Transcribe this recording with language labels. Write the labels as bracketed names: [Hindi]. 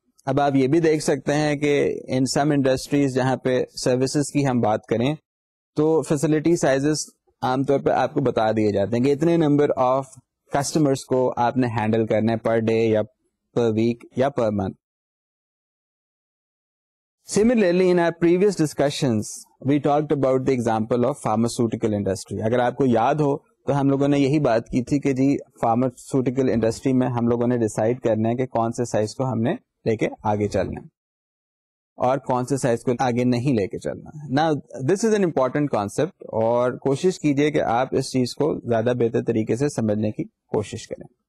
[Urdu] اب آپ یہ بھی دیکھ سکتے ہیں کہ [English] in some industries [Urdu] جہاں پہ سروسز کی ہم بات کریں تو فیسلٹی سائزز عام طور پہ آپ کو بتا دیے جاتے ہیں کہ اتنے نمبر آف کسٹمرس کو آپ نے ہینڈل کرنا ہے پر ڈے یا پر ویک یا per month. [English] Similarly in our previous discussions we talked about the example of pharmaceutical industry. [Urdu] اگر آپ کو یاد ہو تو ہم لوگوں نے یہی بات کی تھی کہ جی فارماسیوٹیکل انڈسٹری میں ہم لوگوں نے ڈیسائیڈ کرنا ہے کہ کون سے سائز کو ہم نے لے کے آگے چلنا اور کون سے سائز کو آگے نہیں لے کے چلنا. [English] now this is an important concept [Urdu] اور کوشش کیجئے کہ آپ اس چیز کو زیادہ بہتر طریقے سے سمجھنے کی کوشش کریں.